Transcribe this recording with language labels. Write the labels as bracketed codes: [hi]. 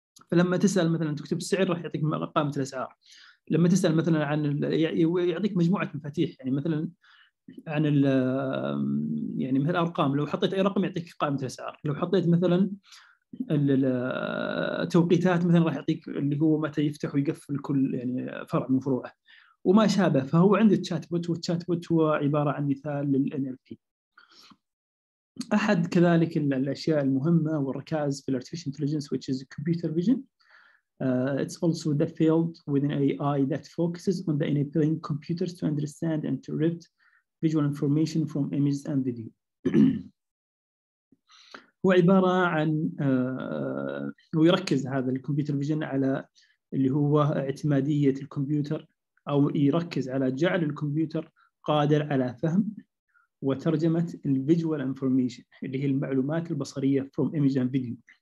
[ar] فلما تسال مثلا تكتب السعر راح يعطيك قائمه الاسعار, لما تسال مثلا عن يعطيك مجموعه مفاتيح يعني مثلا عن ال يعني مثل أرقام, لو حطيت أي رقم يعطيك قائمة الأسعار, لو حطيت مثلا التوقيتات مثلا راح يعطيك اللي هو متى يفتح ويقفل كل يعني فرع من فروعه وما شابه. فهو عند الشات بوت, والشات بوت هو عبارة عن مثال للـ NLP. أحد كذلك الأشياء المهمة والركائز في [en] Artificial Intelligence which is Computer Vision, it's also the field within AI that focuses on the enabling computers to understand and to read visual information from images and video. [ar] هو عبارة عن ويركز هذا الكمبيوتر فيجن على اللي هو اعتمادية الكمبيوتر, أو يركز على جعل الكمبيوتر قادر على فهم وترجمة الفيجوال انفورميشن اللي هي المعلومات البصرية [en] from image and video.